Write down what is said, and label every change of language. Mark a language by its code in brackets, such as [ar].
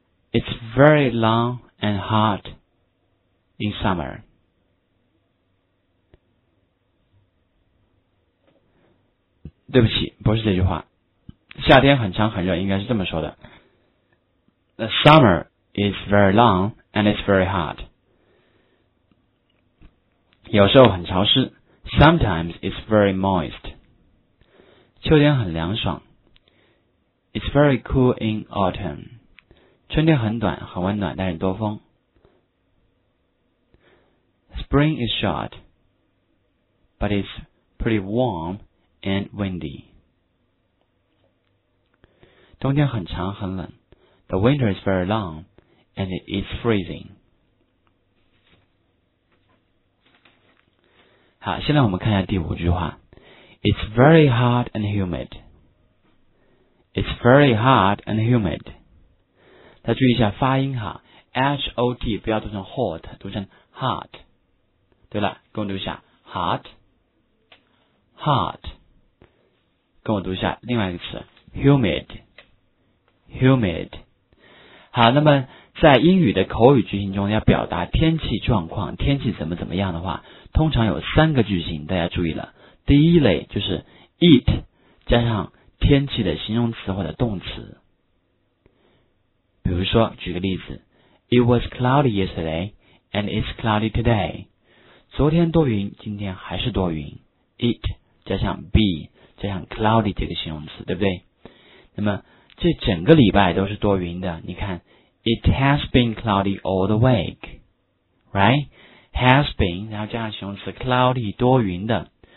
[en] It's very long and hot in summer. [zh] 夏天很长很热应该是这么说的。 [en] The summerIt's very long and it's very hot. [zh] 有时候很潮湿。 [en] Sometimes it's very moist. [zh] 秋天很凉爽。 [en] It's very cool in autumn. [zh] 春天很短，很温暖，但是多风。 [en] Spring is short, but it's pretty warm and windy. [zh] 冬天很长，很冷。 [en] The winter is very long. And it's freezing. [zh] 好，现在我们看一下第五句话。 [en] It's very hot and humid. It's very hot and humid. [zh] 大家注意一下发音哈 ，hot 不要读成 hot， 读成 hot。对了，跟我读一下 hot， hot。跟我读一下另外一个词 humid， humid。好，那么。在英语的口语句型中要表达天气状况，天气怎么怎么样的话，通常有三个句型，大家注意了。第一类就是 it 加上天气的形容词或者动词。比如说举个例子， [en] It was cloudy yesterday and it's cloudy today. [zh] 昨天多云，今天还是多云。 it 加上 be 加上 cloudy 这个形容词，对不对？那么这整个礼拜都是多云的，你看 [en] It has been cloudy all the week, right? [zh] Has been, 然后加上形容词 cloudy, 多云的。